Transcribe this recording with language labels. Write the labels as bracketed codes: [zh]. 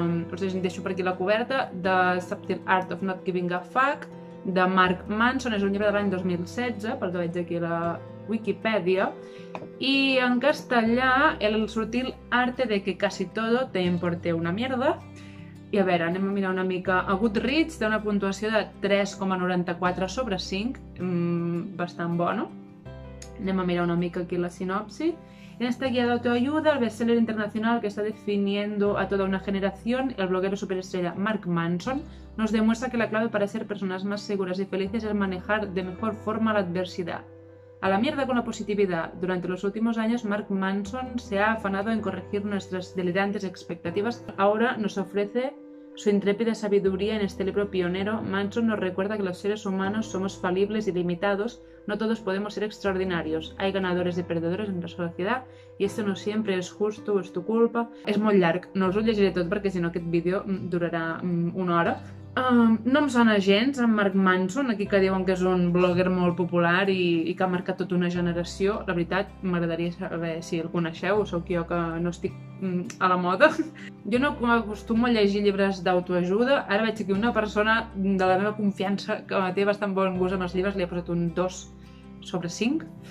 [ca] us deixo per aquí la coberta, The Subtle Art of Not Giving a Fuck, de Mark Manson, és un llibre de l'any 2016, pel que veig aquí a la Wikipedia, i en castellà, El Sutil Arte de que Casi Todo Te Importe Una Mierda, I a veure, anem a mirar una mica. A Goodreads té una puntuació de 3,94 sobre 5, bastant bona. Anem a mirar una mica aquí la sinopsi. [es] En esta guía de autoayuda, el bestseller internacional que está definiendo a toda una generación, el bloguero superestrella Mark Manson, nos demuestra que la clave para ser personas más seguras y felices es manejar de mejor forma la adversidad. A la mierda con la positividad. Durante los últimos años, Mark Manson se ha afanado en corregir nuestras delirantes expectativas. Ahora nos ofrece su intrépida sabiduría en este libro pionero. Manson nos recuerda que los seres humanos somos falibles y limitados. No todos podemos ser extraordinarios. Hay ganadores y perdedores en la sociedad. Y esto no siempre es justo, es tu culpa. Es muy largo. No os lo llegiré todo porque si no, este vídeo durará una hora. [ca] No em sona gens en Mark Manson, aquí que diuen que és un blogger molt popular i que ha marcat tota una generació. La veritat, m'agradaria saber si el coneixeu, sóc jo que no estic a la moda. Jo no acostumo a llegir llibres d'autoajuda. Ara veig aquí una persona de la meva confiança que té bastant bon gust amb els llibres, li he posat un 2 sobre 5.